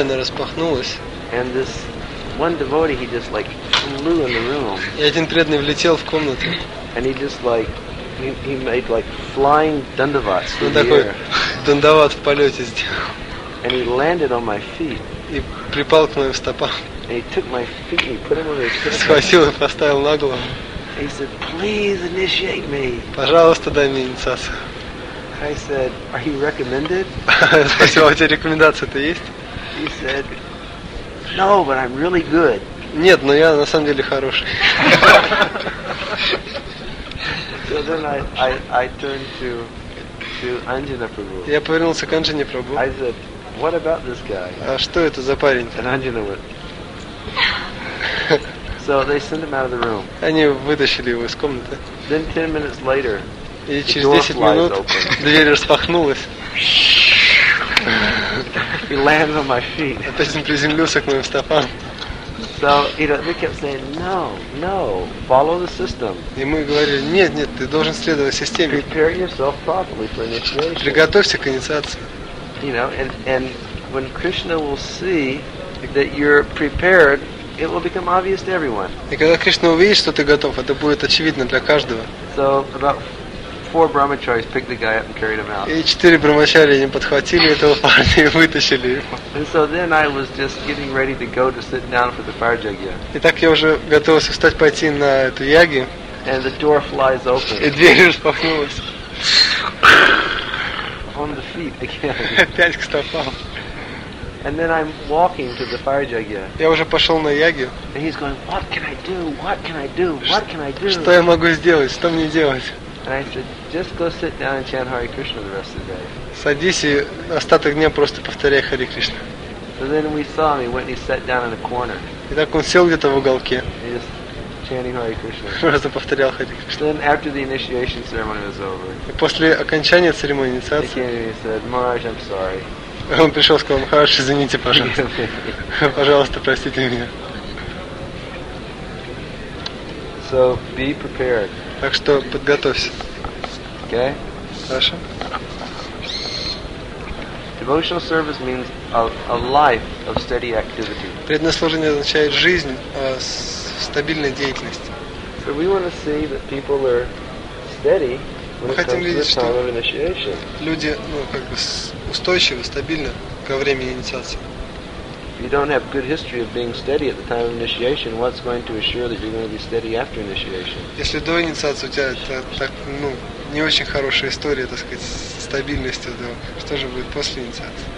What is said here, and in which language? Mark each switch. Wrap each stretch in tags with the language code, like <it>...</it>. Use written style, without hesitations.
<en>And this one devotee, he just like flew in the room. And he just like, he made like flying dandavats in the air. And he landed on my feet. And he took my feet and he put them on his feet.</en> <ru>Схватил и поставил на голову.</ru> <en>He said, "Please initiate me."</en> <ru>Пожалуйста, дай мне инициацию.</ru> <en>I said, "Are you recommended?"</en> <ru>Спросил, у тебя рекомендация-то есть?</ru> <en>He said, "No, but I'm really good."</en> <ru>Нет, но я на самом деле хороший.</ru> <en>So then I turned to Anjana Prabhu.</en> <ru>Я повернулся к Анджине Прабху.</ru> <en>I said, "What about this guy?"</en> <ru>А что это за парень?</ru> <en>And Anjana went. So they sent him out of the room.</en> <ru>Они вытащили его из комнаты.</ru> <en>Then 10 minutes later.</en> <ru>И через 10 минут дверь распахнулась.</ru> <en>He landed on my feet.</en> <ru>Опять он приземлился к моим стопам.</ru> <en>So, you know, they kept saying, "No, no, follow the system."</en> <ru>И мы говорили: "Нет, нет, ты должен следовать системе."</ru> <en>Prepare yourself properly for initiation.</en> <ru>Приготовься к инициации.</ru> <en>You know, and when Krishna will see that you're prepared, it will become obvious to everyone.</en> <ru>И когда Кришна увидит, что ты готов, это будет очевидно для каждого.</ru> <en>So about 4 brahmacharis picked the guy up and carried him out.</en> <ru>И 4 брахмачари они подхватили этого парня и вытащили его.</ru> <en>And so then I was just getting ready to go to sit down for the fire jagya.</en> <ru>И так я уже готовился встать пойти на эту яги.</ru> <en>And the door flies open.</en> <ru>И дверь распахнулась.</ru> <en>On the feet again.</en> <ru>Опять к стопам.</ru> <en>And then I'm walking to the fire jagya.</en> <ru>Я уже пошел на ягью.</ru> <en>And he's going, "What can I do? What can I do? What can I do?"</en> <ru>Что я могу сделать? Что мне делать?</ru> <en>And I said, "Just go sit down and chant Hare Krishna the rest of the day."</en> <ru>Садись и остаток дня просто повторяй Хари Кришна.</ru> <en>So then we saw him. He went and he sat down in a corner.</en> <ru>И так он сел где-то в уголке.</ru> <en>He's chanting Hare Krishna.</en> <ru>Просто повторял Хари Кришна.</ru> <en>So then after the initiation ceremony was over.</en> <ru>И после окончания церемонии инициации.</ru> <en>He came and he said, "Maharaj, I'm sorry."</en> <ru>Он пришел и сказал: "Хорошо, извините, пожалуйста. Пожалуйста, простите меня."</ru> <en>So be prepared.</en> <ru>Так что подготовься.</ru> <en>Okay.</en> <ru>Хорошо.</ru> <en>Devotional service means a life of steady activity.</en> <ru>Преднаслужение означает жизнь стабильной деятельности.</ru> <en>So we want to see that people are steady.</en> <ru>Мы хотим видеть, что люди, устойчивы, стабильны ко времени инициации.</ru> <en>If you don't have good history of being steady at the time of initiation, what's going to assure that you're going to be steady after initiation?</en> <ru>Если до инициации у тебя так не очень хорошая история, так сказать, стабильности, то что же будет после инициации?</ru>